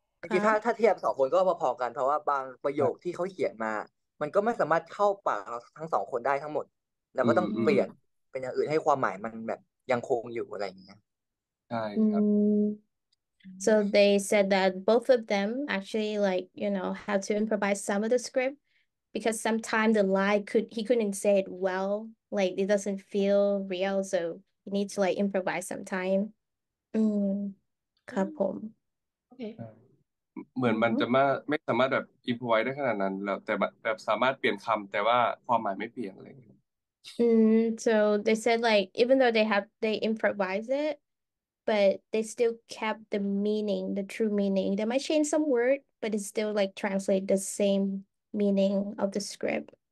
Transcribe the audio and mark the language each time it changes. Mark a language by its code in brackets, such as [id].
[th] จริงถ้าเทียบสองคนก็พอๆกันเพราะว่าบางประโยคที่เขาเขียนมามันก็ไม่สามารถเข้าปากเราทั้งสองคนได้ทั้งหมดเราก็ต้องเปลี่ยนเป็นอย่างอื่นให้ความหมายมันแบบยังคงอยู่อะไรอย่างเงี้ย ใช่ครับ [en] So they said that both of them actually like you know have to improvise some of the script because sometimes the line could he couldn't say it well like it doesn't feel real so you need to like improvise sometime [th] ครับผม เหมือนมันจะไม่สามารถแบบอิมพอไวได้ขนาดนั้นแล้วแต่แบบสามารถเปลี่ยนคำแต่ว่าความหมายไม่เปลี่ยนอะไรอย่างเงี้ย [en] So they said like even though they improvise it but they still kept the meaning the true meaning they might change some word but it still like translate the same meaning of the script